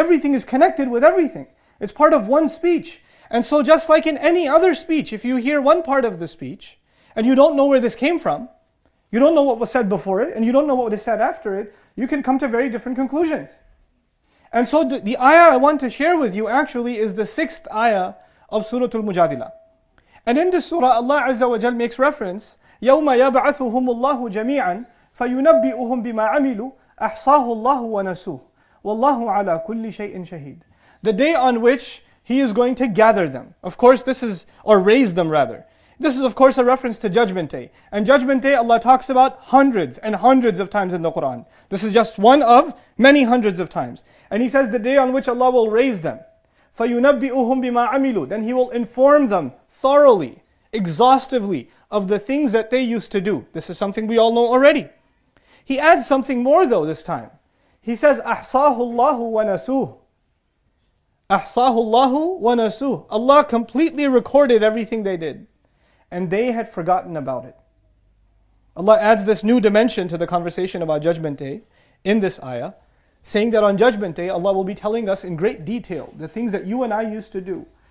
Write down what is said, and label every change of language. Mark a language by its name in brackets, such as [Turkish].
[English] Everything is connected with everything. It's part of one speech. And so just like in any other speech, if you hear one part of the speech, and you don't know where this came from, you don't know what was said before it, and you don't know what is said after it, you can come to very different conclusions. And so the ayah I want to share with you actually is the sixth ayah of Suratul Mujadila. And in this surah, Allah Azza wa Jal makes reference, [Arabic] يَوْمَ يَبْعَثُهُمُ اللَّهُ جَمِيعًا فَيُنَبِّئُهُمْ بِمَا عَمِلُوا أَحْصَاهُ اللَّهُ وَنَسُوهُ وَاللَّهُ عَلَى كُلِّ شَيْءٍ شَهِيدٍ. [English] The day on which He is going to gather them. Of course, this is, or raise them rather. This is of course a reference to Judgment Day. And Judgment Day Allah talks about hundreds and hundreds of times in the Qur'an. This is just one of many hundreds of times. And He says the day on which Allah will raise them. [Arabic] فَيُنَبِّئُهُمْ بِمَا عَمِلُوا. [English] Then He will inform them thoroughly, exhaustively, of the things that they used to do. This is something we all know already. He adds something more though this time. He says, [Arabic] أَحْصَاهُ اللَّهُ وَنَسُوهُ. أَحْصَاهُ اللَّهُ وَنَسُوهُ. [English] Allah completely recorded everything they did, and they had forgotten about it. Allah adds this new dimension to the conversation about Judgment Day in this ayah, saying that on Judgment Day, Allah will be telling us in great detail the things that you and I used to do.